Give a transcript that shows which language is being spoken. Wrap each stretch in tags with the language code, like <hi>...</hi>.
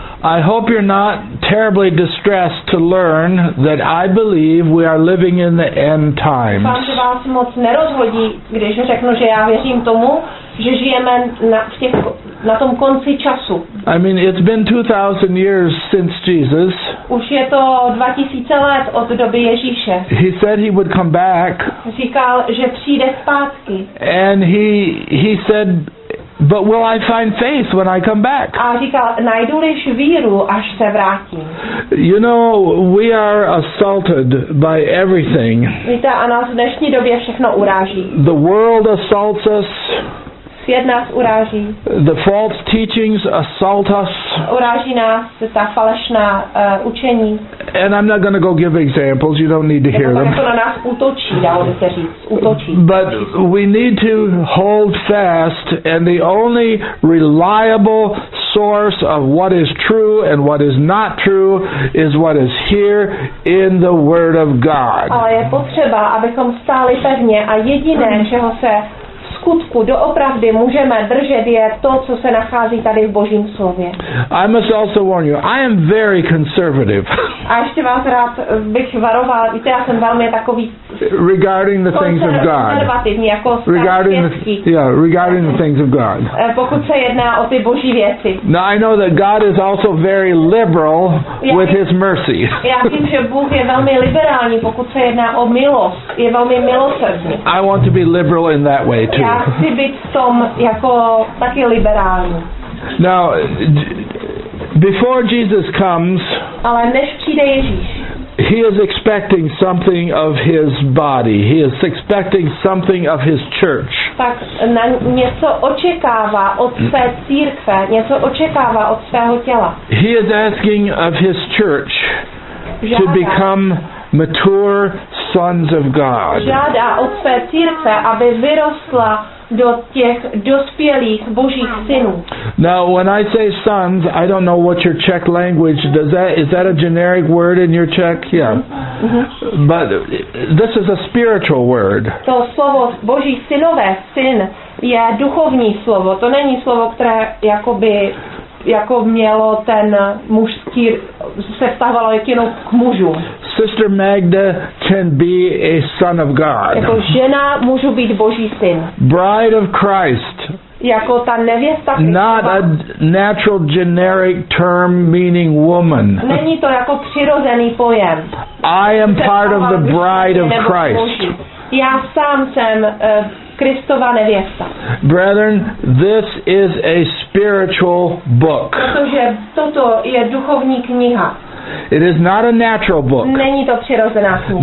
<en>I hope you're not terribly distressed to learn that I believe we are living in the end times.</en> <cs>Doufám, že vás moc nerozhodí, když řeknu, že já věřím tomu, že žijeme na tom konci času.</cs> <en>I mean, it's been 2,000 years since Jesus.</en> <cs>Už je to 2000 let od doby Ježíše.</cs> <en>He said he would come back.</en> <cs>Říkal, že přijde zpátky.</cs> <en>And he said, but will I find faith when I come back?</en> <cs>A říkal, najdu-liž víru, až se vrátím.</cs> <en>You know, we are assaulted by everything.</en> <cs>Víte, a nás v dnešní době všechno uráží.</cs> <en>The world assaults us.</en> <cs>Svět nás uráží.</cs> <en>The false teachings assault us.</en> <cs>Uráží nás ta falešná učení.</cs> <en>And I'm not going to go give examples. You don't need to hear them.</en> <cs>Na nás útočí, dalo by se říct. Útočí.</cs> <en>But we need to hold fast, and the only reliable source of what is true and what is not true is what is here in the Word of God.</en> <cs>Ale je potřeba, abychom stáli pevně, a jediné, čeho se skutku doopravdy můžeme držet, je to, co se nachází tady v Božím slově.</cs> <en>I must also warn you, I am very conservative.</en> <cs>A ještě vás rád bych varoval, víte, já jsem velmi takový</cs> <en>regarding the things of God.</en> <cs>Konzervativní, jako</cs> <en>regarding the things of God.</en> <cs>Pokud se jedná o ty Boží věci.</cs> <en>Now I know that God is also very liberal with his mercy.</en> <cs>Já vím, že Bůh je velmi liberální, pokud se jedná o milost, je velmi milosrdný.</cs> <en>I want to be liberal in that way too.</en> <cs>Já chci být v tom jako taky liberální.</cs> <en>Now, Before Jesus comes,</en> <cs>ale než přijde Ježíš,</cs> <en>he is expecting something of his body. He is expecting something of his church.</en> <cs>Tak na něco očekává od své církve, něco očekává od svého těla.</cs> <en>He is asking of his church</en> <cs>žádá</cs> <en>to become mature sons of God.</en> <cs>Žádá od své církve, aby vyrostla do těch dospělých božích synů.</cs> <en>Now, when I say sons, I don't know what your Czech language does. That is that a generic word in your Czech? Yeah. Mm-hmm. But this is a spiritual word.</en> <cs>To slovo boží synové, syn, je duchovní slovo. To není slovo, které jakoby jako mělo ten mužský se vztahovalo jenom k mužu.</cs> <en>Sister Magda can be a son of God.</en> <cs>Jako žena můžu být boží syn.</cs> <en>Bride of Christ.</en> <cs>Jako ta nevěsta Kristova.</cs> <en>Not a natural generic term meaning woman.</en> <cs>Není to jako přirozený pojem.</cs> <en>I am part of the bride of Christ.</en> <cs>Já sám jsem Kristova nevěsta.</cs> <en>Brethren, this is a spiritual book.</en> <cs>Protože toto je duchovní kniha.</cs> <en>It is not a natural book.</en> <cs>Není to přirozená kniha.</cs>